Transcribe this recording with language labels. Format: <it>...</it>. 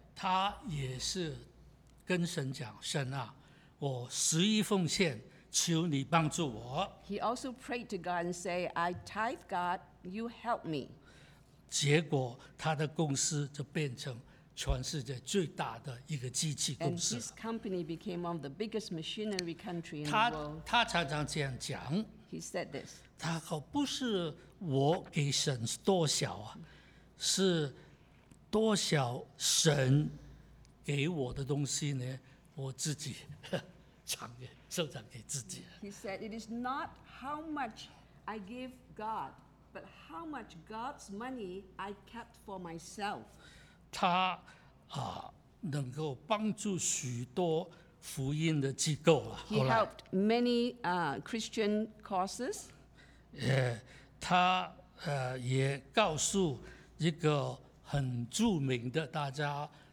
<zh>他也是跟神讲，神啊，我十一奉献，求你帮助我。</zh> <en>He also prayed to God and said, "I tithe, God, you help me."</en> <zh>结果他的公司就变成全世界最大的一个机器公司。</zh> <en>And his company became one of the biggest machinery country in the world.</en> <zh>他常常这样讲。</zh> <en>He said this.</en> <zh>他说不是我给神多少啊，是多少神给我的东西呢？我自己藏着，收藏给自己。</zh> <en>He said, "It is not how much I give God, but how much God's money I kept for myself."</en> <zh>他能够帮助许多福音的机构啊。</zh> <en>He helped many Christian causes.</en> <zh>他也告诉一个很著名的大家。</zh>